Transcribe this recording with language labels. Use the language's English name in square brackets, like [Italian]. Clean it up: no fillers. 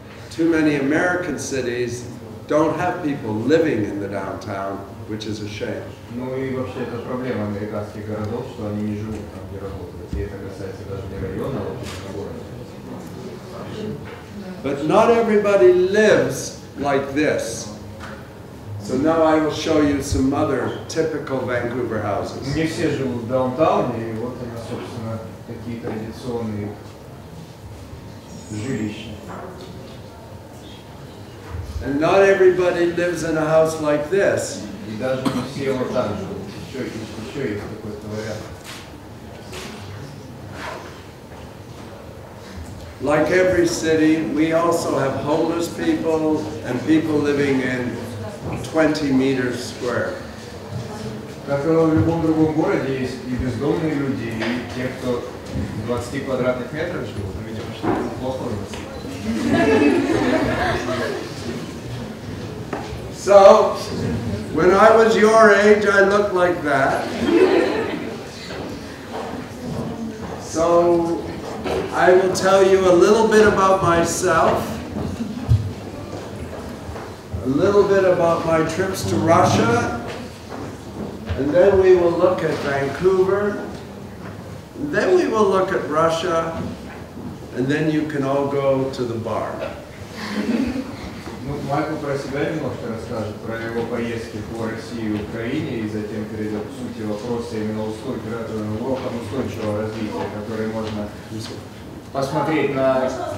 [English] too many American cities don't have people living in the downtown, which is a shame. [Russian] Ну и вообще это проблема американских городов, что они не живут там, где работают. И это касается даже не района, а общего города. [English] But not everybody lives like this. So now I will show you some other typical Vancouver houses. [Russian] Не все живут в даунтауне, и вот они, собственно, такие традиционные жилища. [English] And not everybody lives in a house like this. [Russian] И даже не все вот так живут. Еще есть какой-то вариант. [English] Like every city, we also have homeless people and people living in 20 meters square. [Russian] Как и в любом другом городе, есть и бездомные люди, и те, кто в 20 квадратных метрах живут. Но, видимо, что-то плохо у нас. [English] So, when I was your age, I looked like that. So, I will tell you a little bit about myself, a little bit about my trips to Russia, and then we will look at Vancouver, then we will look at Russia, and then you can all go to the bar. [Russian] Ну, Майкл про себя немножко расскажет, про его поездки по России и Украине, и затем перейдет к сути вопроса именно устойчивого развития, который можно посмотреть на...